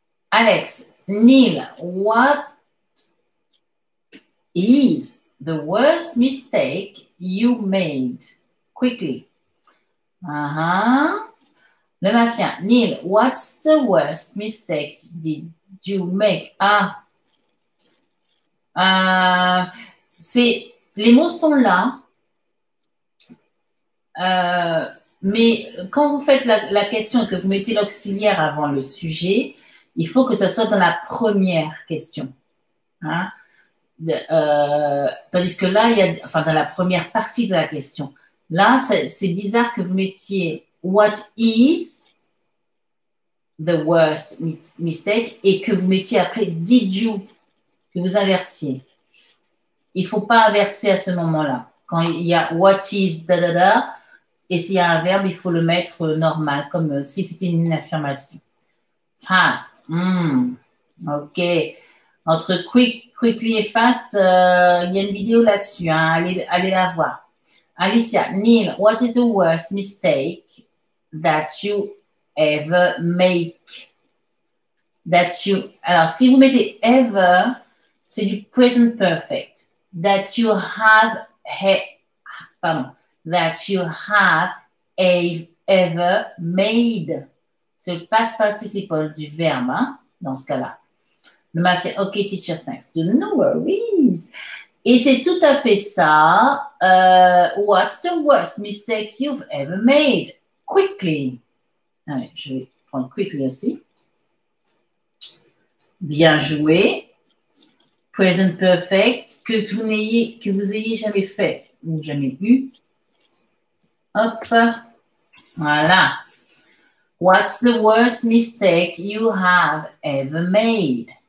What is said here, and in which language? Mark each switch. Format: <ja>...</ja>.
<en>Alex, Neil, what is the worst mistake you made? Quickly. Le mafia, Neil, what's the worst mistake did you make? Ah.</en> <fr>C'est les mots sont là, mais quand vous faites la question et que vous mettez l'auxiliaire avant le sujet, il faut que ça soit dans la première question, hein? Tandis que là, il y a enfin dans la première partie de la question. Là, c'est bizarre que vous mettiez</fr> <en>what is the worst mistake</en> <fr>et que vous mettiez après</fr> <en>did you.</en> <fr>Que vous inversiez. Il ne faut pas inverser à ce moment-là. Quand il y a « what is da-da-da » et s'il y a un verbe, il faut le mettre normal, comme si c'était une affirmation. Fast. OK. Entre quickly et fast, il y a une vidéo là-dessus. Hein. Allez la voir.</fr> <en>Alicia, Neil, what is the worst mistake that you ever make? that you...</en> <fr>Alors, si vous mettez ever, c'est du present perfect.</fr> <en>That you have... That you have ever made.</en> <fr>C'est le past participle du verbe, hein, dans ce cas-là.</fr> <en>Ok, teacher, thanks. No worries.</en> <fr>Et c'est tout à fait ça.</fr> <en>What's the worst mistake you've ever made? Quickly.</en> <fr>Allez, je vais prendre quickly aussi. Bien joué. Present perfect. Que vous ayez jamais fait ou jamais eu. Hop. Voilà.</fr> <en>What's the worst mistake you have ever made?</en>